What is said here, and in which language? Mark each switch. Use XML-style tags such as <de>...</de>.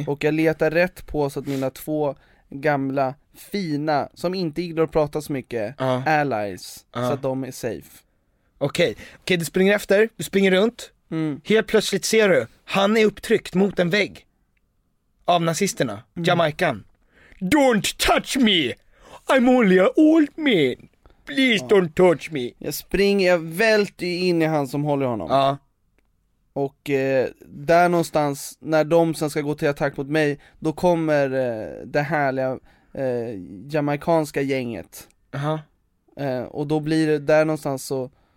<sv>Okay. Och jag letar rätt på så att mina 2 gamla, fina, som inte gillar att prata så mycket, allies, så att de är safe. Okej, okay. Okay, du springer efter, du springer runt. Mm. Helt plötsligt ser du, han är upptryckt mot en vägg. Av nazisterna, jamaikan.</sv> <en>Don't touch me, I'm only an old man. Please don't touch me.</en> <sv>Jag välter in i han som håller honom. Ja. Och där någonstans, när de sen ska gå till attack mot mig, då kommer det härliga jamaikanska gänget. Aha. Och då blir det där någonstans så...</sv>